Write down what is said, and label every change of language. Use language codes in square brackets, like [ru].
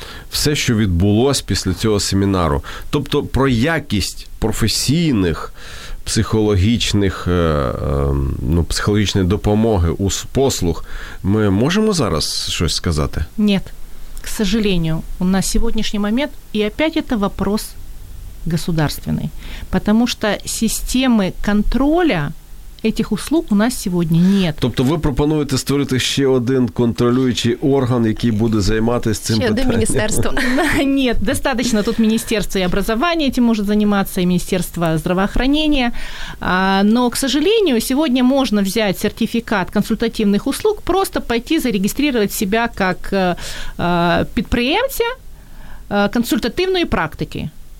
[uk] Все, що відбулось після цього семінару. Тобто про якість професійних психологічних, психологічної допомоги у послуг ми можемо зараз щось сказати? Ні. [ru] К сожалению, [uk] на сьогоднішній момент, і [ru] опять це вопрос государственный, потому что системи контроля этих услуг у нас сегодня нет. [uk] Тобто ви пропонуєте створити ще один контролюючий орган, який буде займатися цим питанням? Ще один міністерство. [ru] Нет, достаточно тут Министерство и образования этим может заниматься, и Министерство здравоохранения. Но, к сожалению, сегодня можно взять сертификат консультативных услуг, просто пойти зарегистрировать себя как предприемца консультативной практики.